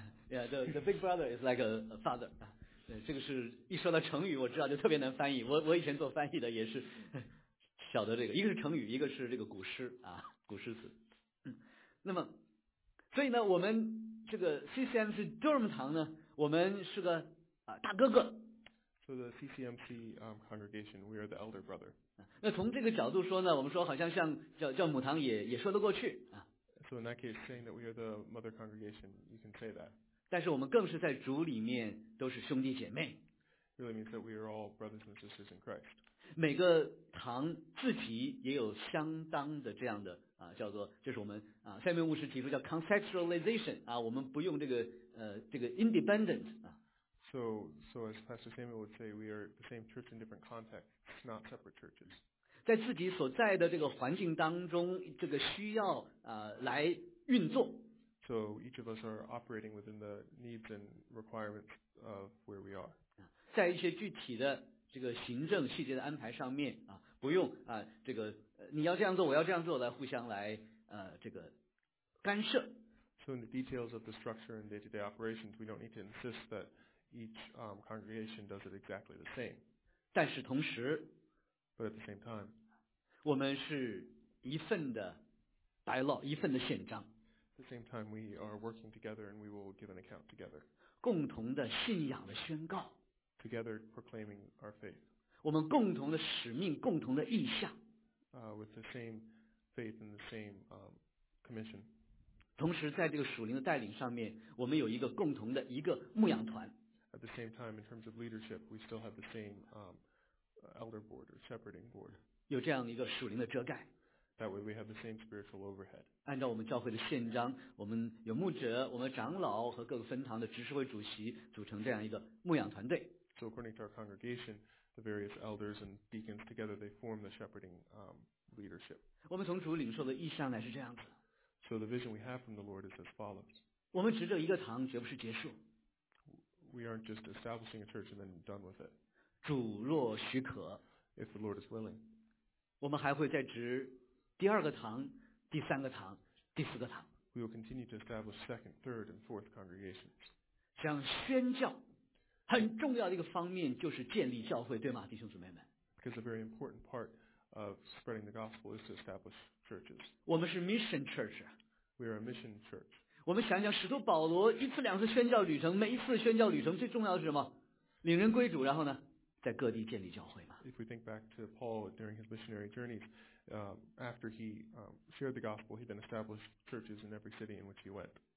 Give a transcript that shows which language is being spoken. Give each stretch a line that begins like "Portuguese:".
English: Yeah, the big brother is like a father.
Chinese: 这个是一说到成语，我知道就特别难翻译。我以前做翻译的也是晓得这个，一个是成语，一个是这个古诗古诗词。那么。所以呢，我们这个 CCMC Durham 堂呢，我们是个大哥哥。
English: So the CCMC congregation, we are the elder brother.
Chinese: 那从这个角度说呢，我们说好像像叫母堂也说得过去
English: So in that case, saying that we are the mother congregation, you can say that.
Chinese: 但是我们更是在主里面都是兄弟姐妹。
English: Really means that we are all brothers and sisters in Christ.
Chinese: 每个堂自己也有相当的这样的。叫做这是我们赛明牧师提出叫 contextualization 我们不用这个 independent
English: So as Pastor Samuel would say, we are the same church in different contexts, not separate churches.
Chinese: 在自己所在的这个环境当中，这个需要来运作。
English: So each of us are operating within the needs and requirements of where we are.
Chinese: 在一些具体的这个行政细节的安排上面啊，不用啊，这个你要这样做，我要这样做，来互相来这个干涉。
English: So in the details of the structure and day-to-day operations, we don't need to insist that each congregation does it exactly the same.
Chinese: 但是同时
English: ，But at the same time,
Chinese: 我们是一份的白老，一份的宪章。
English: At the same time, we are working together and we will give an account together.
Chinese: 共同的信仰的宣告。
English: Together proclaiming our faith.
Chinese: 我们共同的使命，共同的意向。
English: With the same faith and the same commission.
Chinese: 同时在这个属灵的带领上面，我们有一个共同的一个牧养团。
English: At the same time, in terms of leadership, we still have the same elder board or shepherding board.
Chinese: 有这样一个属灵的遮盖。
English: That way we have the same spiritual overhead.
Chinese: 按照我们教会的宪章，我们有牧者，我们长老和各个分堂的执事会主席组成这样一个牧养团队。
English: So according to our congregation, the various elders and deacons together, they form the shepherding leadership.
Chinese: 我们从主领受的意向来是这样子。
English: So the vision we have from the Lord is as follows.
Chinese: 我们执政一个堂绝不是结束。
English: We aren't just establishing a church and then done with it.
Chinese: 主若许可。
English: If the Lord is willing.
Chinese: 我们还会再执第二个堂，第三个堂，第四个堂。
English: We will continue to establish second, third, and fourth congregations.
Chinese: 像宣教。很重要的一个方面就是建立教会，对吗，弟兄姊妹们？
English: Because a very important part of spreading the gospel is to establish churches.
Chinese: 我们是
English: mission church. We are a mission church.
Chinese: 我们想想使徒保罗一次两次宣教旅程，每一次宣教旅程最重要的是什么？领人归主，然后呢，在各地建立教会嘛。
English: If we think back to Paul during his missionary journeys, after he shared the gospel, he then established churches in every city in which he went.